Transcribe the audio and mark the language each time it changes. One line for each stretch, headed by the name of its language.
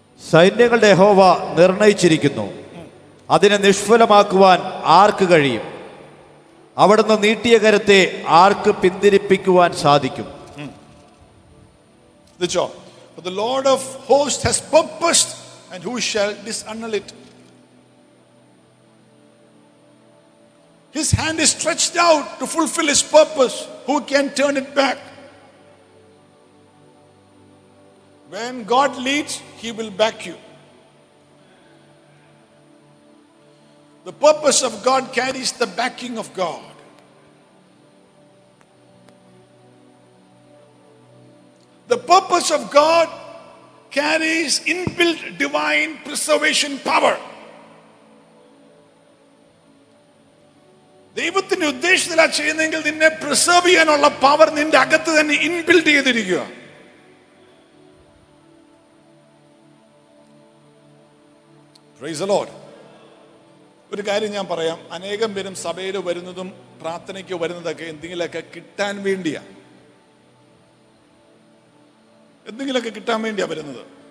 Malayalam: സൈന്യങ്ങളുടെ യഹോവ നിർണയിച്ചിരിക്കുന്നു, അതിനെ നിഷ്ഫലമാക്കുവാൻ ആർക്ക് കഴിയും? അവിടുന്ന് നീട്ടിയ കരത്തെ ആർക്ക് പിന്തിരിപ്പിക്കുവാൻ സാധിക്കും?
English: The job. But the Lord of hosts has purposed, and who shall disannul it? His hand is stretched out to fulfill his purpose. Who can turn it back? When God leads, he will back you. The purpose of God carries the backing of God. The purpose of God carries inbuilt divine preservation power.
Malayalam: ദൈവത്തിന്റെ ഉദ്ദേശത്തിലാ ചെയ്യുന്നതെങ്കിൽ നിന്നെ preserve ചെയ്യാനുള്ള power നിന്റെ അകത്ത് തന്നെ inbuilt ചെയ്തിരിക്കുക. Praise the Lord. ഒരു കാര്യം ഞാൻ പറയാം, അനേകം പേരും സഭയിൽ വരുന്നതും പ്രാർത്ഥനയ്ക്ക് വരുന്നതൊക്കെ എന്തെങ്കിലുമൊക്കെ കിട്ടാൻ വേണ്ടിയാ, എന്തെങ്കിലുമൊക്കെ കിട്ടാൻ വേണ്ടിയാ വരുന്നത്.